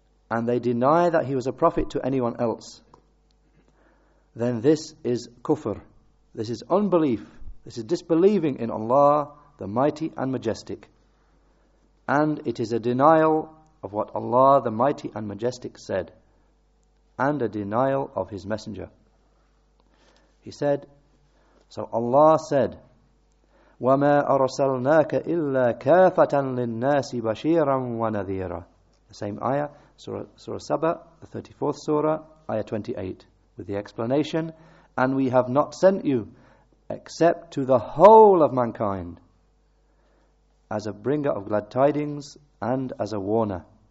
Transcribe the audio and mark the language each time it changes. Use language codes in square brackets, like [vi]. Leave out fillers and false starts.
[en] And they deny that he was a prophet to anyone else. Then this is kufr. This is unbelief. This is disbelieving in Allah, the Mighty and Majestic. And it is a denial of what Allah, the Mighty and Majestic, said. And a denial of his messenger. He said, so Allah said, [ar] وَمَا أَرْسَلْنَاكَ إِلَّا كَافَةً لِلنَّاسِ بَشِيرًا وَنَذِيرًا. [en] The same ayah, Surah Saba, the 34th surah, ayah 28, with the explanation, and we have not sent you except to the whole of mankind as a bringer of glad tidings and as a warner.